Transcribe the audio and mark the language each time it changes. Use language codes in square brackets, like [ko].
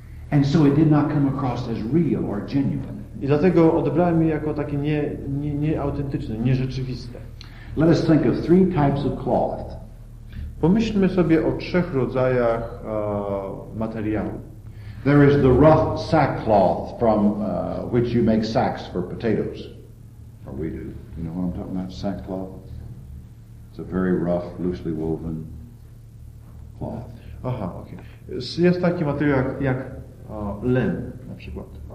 [en] And so it did not come across as real or genuine. [pl] I dlatego odebrałem je jako takie nieautentyczne, nierzeczywiste. [en] Let us think of three types of cloth. [pl] Pomyślmy sobie o trzech rodzajach materiału. [en] There is the rough sackcloth from which you make sacks for potatoes. Or we do. You know what I'm talking about? Sackcloth. It's a very rough, loosely woven cloth. Aha, okay. [pl] Jest taki materiał jak len, na przykład.